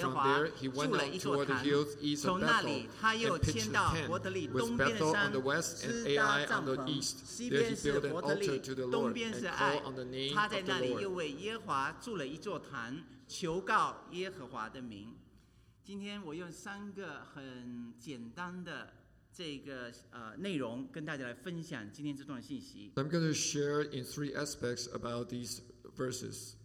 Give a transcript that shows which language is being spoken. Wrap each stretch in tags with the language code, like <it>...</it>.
<en>From there he went out toward the hills east of Bethel, and pitched a tent with Bethel on the west and Ai on the east. There he built an altar to the Lord and called on the name of the Lord.</en> <zh>今天我用三个很简单的这个内容跟大家来分享今天这段信息。</zh> <en>I'm going to share in three aspects about these verses.</en>